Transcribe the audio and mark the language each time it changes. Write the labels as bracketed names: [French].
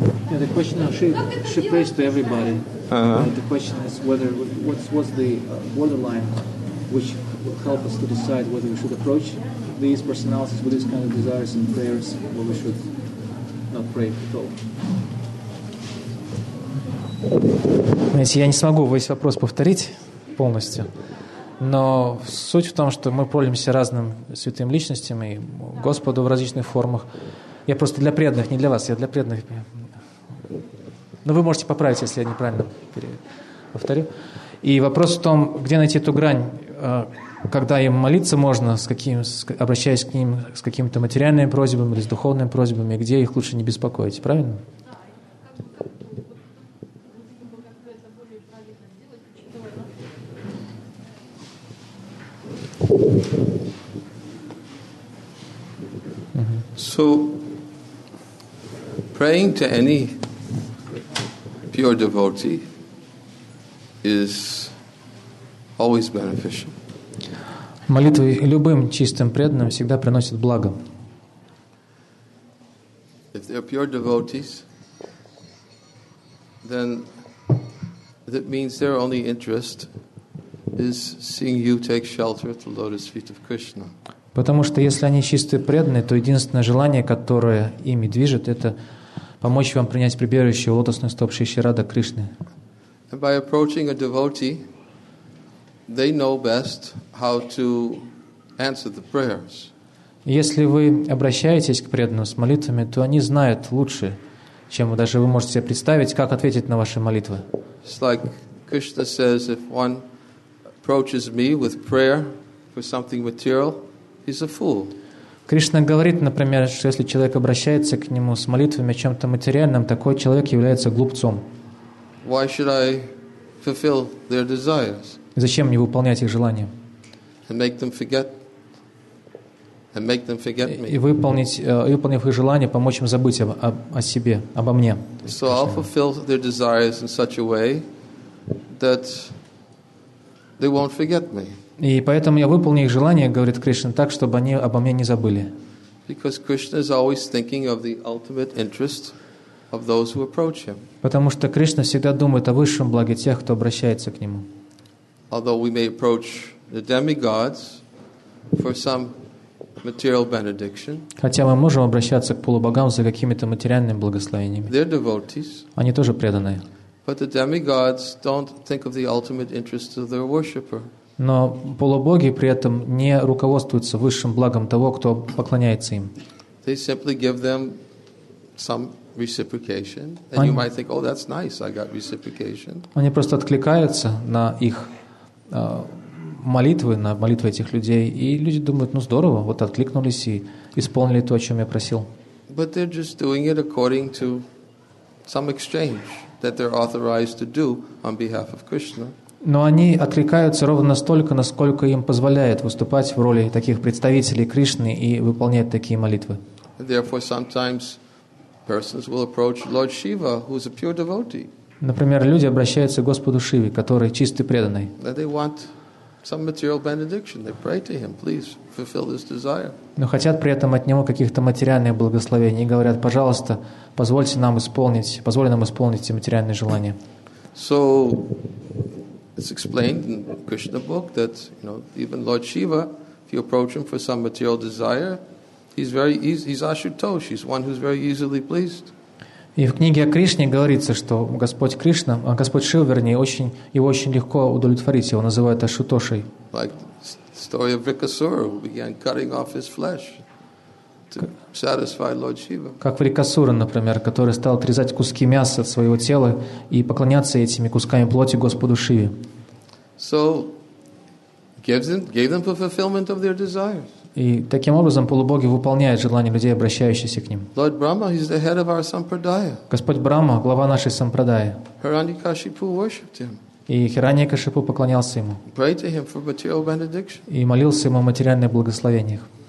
[English] Yeah, the question is, she prays to everybody. Uh-huh. The question is whether what's the borderline which will help us to decide whether we should approach these personalities with these kind of desires and prayers, or we should not pray at all. [Russian] Знаете, я не смогу весь вопрос повторить полностью. Но суть в том, что мы пользуемся разным святым личностям и Господу в различных формах. Я просто для преданных, не для вас, я для преданных. Но вы можете поправить, если я неправильно повторю. И вопрос в том, где найти эту грань, когда им молиться можно, обращаясь к ним с какими-то материальными просьбами или с духовными просьбами, где их лучше не беспокоить, правильно? [English] So, praying to any pure devotee is always beneficial. [Russian] Молитвы любым чистым преданным всегда приносят благо. [English] If they're pure devotees, then that means their only interest is seeing you take shelter at the lotus feet of Krishna. [Russian] Потому что если они чистые преданные, то единственное желание, которое ими движет, это помочь вам принять прибежище у лотосных стоп Шри Радха Кришны. [English] And by approaching a devotee, they know best how to answer the prayers. [Russian] Если вы обращаетесь к преданным с молитвами, то они знают лучше, чем даже вы можете себе представить, как ответить на ваши молитвы. [English] It's like Krishna says, if one approaches me with prayer for something material, he's a fool. [Russian] Кришна говорит, например, что если человек обращается к нему с молитвами о чем-то материальном, такой человек является глупцом. [English] Why should I fulfill their desires? [Russian] Зачем мне выполнять их желания? [English] And make them forget. And make them forget me. [Russian] И выполнив их желание, помочь им забыть о себе, обо мне. [English] So I'll fulfill their desires in such a way that they won't forget me. [Russian] И поэтому я выполню их желание, говорит Кришна, так, чтобы они обо мне не забыли. [English] Because Krishna is always thinking of the ultimate interest of those who approach him. [Russian] Потому что Кришна всегда думает о высшем благе тех, кто обращается к нему. [English] Although we may approach the demigods for some material benediction. [Russian] Хотя мы можем обращаться к полубогам за какими-то материальными благословениями. [English] They're devotees. [Russian] Они тоже преданные. [English] But the demigods don't think of the ultimate interest of their worshipper. [Russian] Но полубоги при этом не руководствуются высшим благом того, кто поклоняется им. [English] They simply give them some reciprocation, and you might think, "Oh, that's nice. I got reciprocation." [Russian] Они просто откликаются на их молитвы, на молитвы этих людей, и люди думают: "Ну, здорово, вот откликнулись и исполнили то, о чем я просил." [English] But they're just doing it according to some exchange that they're authorized to do on behalf of Krishna. [Russian] Но они откликаются ровно столько, насколько им позволяет выступать в роли таких представителей Кришны и выполнять такие молитвы. [English] Therefore, sometimes persons will approach Lord Shiva, who is a pure devotee. [Russian] Например, люди обращаются к Господу Шиве, который чистый преданный. [English] And they want some material benediction. They pray to him, please fulfill this desire. [Russian] Но хотят при этом от него каких-то материальных благословений и говорят: пожалуйста, позволь нам исполнить эти материальные желания. [English] So it's explained in the Krishna book that, you know, even Lord Shiva, if you approach him for some material desire, he's Ashutosh, he's one who's very easily pleased. [Russian] И в книге о Кришне говорится, что Господь Кришна, Господь Шива, вернее, его очень легко удовлетворить, его называют Ашутошей. [English] Like the story of Vikasura, who began cutting off his flesh to satisfy Lord Shiva. [Russian] Как Врикасура, например, который стал отрезать куски мяса от своего тела и поклоняться этими кусками плоти Господу Шиве. [English] So gave them the fulfillment of their desires. [Russian] И таким образом полубоги выполняют желания людей, обращающихся к ним. [English] Lord Brahma, he's the head of our sampradaya. [Russian] Господь Брахма, глава нашей сампрадаи. [English] Hiranyakashipu worshipped him. [Russian] И Хираньякашипу поклонялся ему. [English] Prayed to him for material benediction. [Russian] И молился ему о материальных благословениях.